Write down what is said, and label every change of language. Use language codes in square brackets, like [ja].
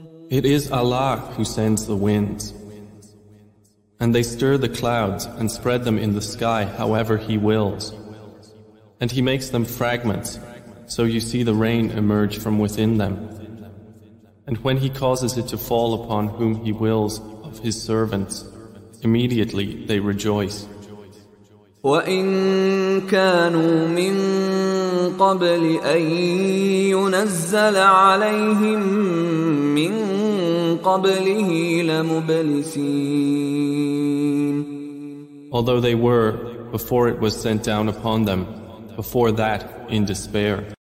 [en] It is Allah who sends the winds, and they stir the clouds and spread them in the sky however He wills. And He makes them fragments, so you see the rain emerge from within them. And when He causes it to fall upon whom He wills of His servants, immediately they rejoice. [ar] وَإِن كَانُوا مِن قبل أن ينزل عليهم من قبله لمبلسين. [en] Although they were, before it was sent down upon them, before that in despair.